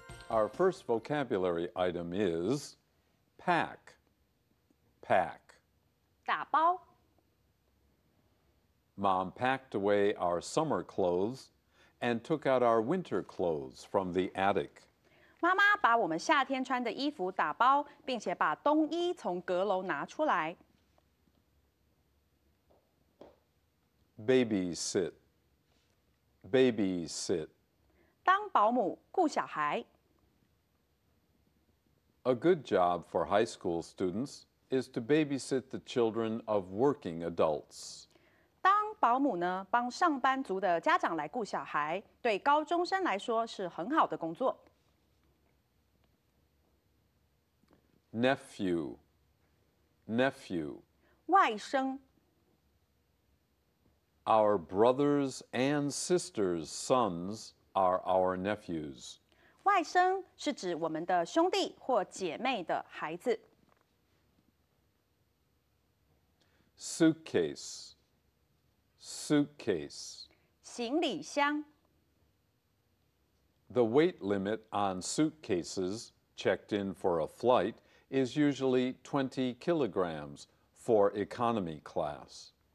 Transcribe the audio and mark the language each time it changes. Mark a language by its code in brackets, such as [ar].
[en] Our first vocabulary item is pack, pack. [zh] 打包。 [en] Mom packed away our summer clothes and took out our winter clothes from the attic. [zh] 妈妈把我们夏天穿的衣服打包，并且把冬衣从阁楼拿出来。 [en] Babysit, babysit. [zh] 当保姆顾小孩。 [en] A good job for high school students is to babysit the children of working adults. [zh] 当保姆呢，帮上班族的家长来顾小孩，对高中生来说是很好的工作。 [en] Nephew, nephew, [zh] 外甥。 [en] Our brothers and sisters' sons are our nephews. [zh] 外甥是指我们的兄弟或姐妹的孩子。 [en] Suitcase. Suitcase. [zh] 行李箱。 [en] The weight limit on suitcases checked in for a flight is usually 20 kilograms for economy class.